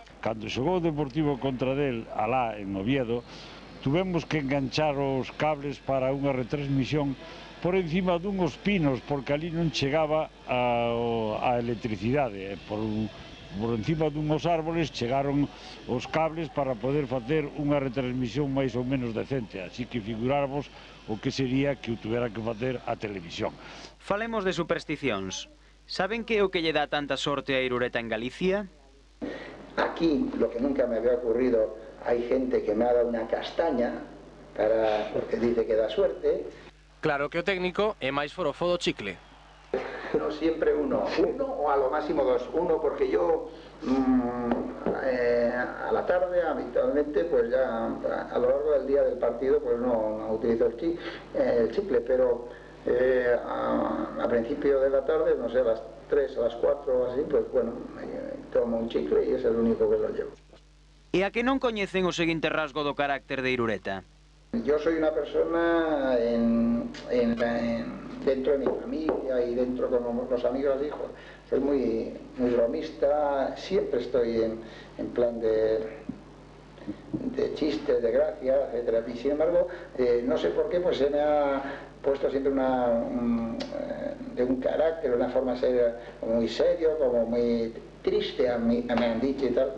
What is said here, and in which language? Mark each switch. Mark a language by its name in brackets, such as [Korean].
[Galician] Cando chegou o Deportivo contra del, alá en Oviedo, tuvemos que enganchar os cables para unha retransmisión por encima dunhos pinos, porque ali non chegaba a electricidade. Por encima dunhos árboles chegaron os cables para poder facer unha retransmisión máis ou menos decente. Así que figurarvos o que sería que o tuvera que facer a televisión. Falemos de supersticións. Saben que é o que lle dá tanta sorte a Irureta en Galicia? [Spanish] Aquí, lo que nunca me había ocurrido, hay gente que me ha dado una castaña para porque dice que da suerte. [Galician] Claro que o técnico é máis forofo do chicle. [Spanish] No siempre uno o a lo máximo dos. Uno porque yo a la tarde habitualmente pues ya a lo largo del día del partido pues no utilizo el chicle, pero a principio de la tarde, no sé, a las 3 o a las 4 o así, pues bueno, tomo un chicle y es el único que lo llevo. [Galician] E a que non coñecen o seguinte rasgo do carácter de Irureta? [Spanish] Yo soy una persona dentro de mi familia y dentro con los amigos y hijos. Soy muy, muy bromista, siempre estoy en plan de chistes, de gracia, etcétera. Y sin embargo, no sé por qué, pues se me ha puesto siempre un carácter, una forma de ser muy serio, como muy triste, me han dicho y tal.